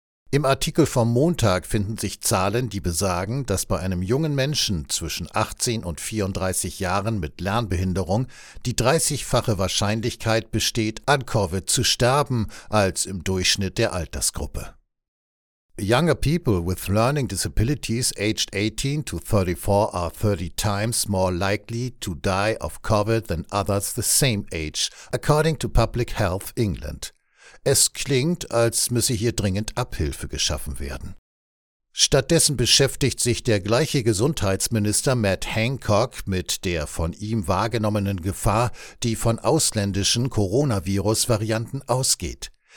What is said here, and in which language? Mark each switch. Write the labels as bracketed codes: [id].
[de] Im Artikel vom Montag finden sich Zahlen, die besagen, dass bei einem jungen Menschen zwischen 18 und 34 Jahren mit Lernbehinderung die 30-fache Wahrscheinlichkeit besteht, an Covid zu sterben, als im Durchschnitt der Altersgruppe. [en] Younger people with learning disabilities aged 18 to 34 are 30 times more likely to die of COVID than others the same age, according to Public Health England. [de] Es klingt, als müsse hier dringend Abhilfe geschaffen werden. Stattdessen beschäftigt sich der gleiche Gesundheitsminister Matt Hancock mit der von ihm wahrgenommenen Gefahr, die von ausländischen Coronavirus-Varianten ausgeht.